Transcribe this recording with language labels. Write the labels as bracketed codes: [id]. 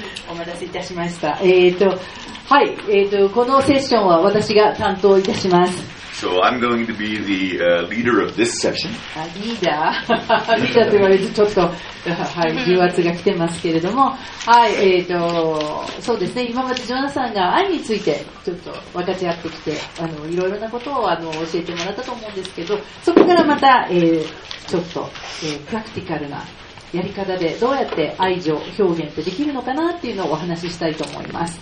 [ja] お待たせいたしました。はい、このセッションは私が担当いたします。 [en] So I'm going to be the leader of this session. [ja] リーダー、リーダーと言われずちょっと、はい、重圧が来てますけれども、はい、そうですね、今までジョナサンが愛についてちょっと分かち合ってきて、いろいろなことを教えてもらったと思うんですけど、そこからまた、ちょっと、プラクティカルなやり方でどうやって愛情表現ってできるのかなっていうのをお話ししたいと思います。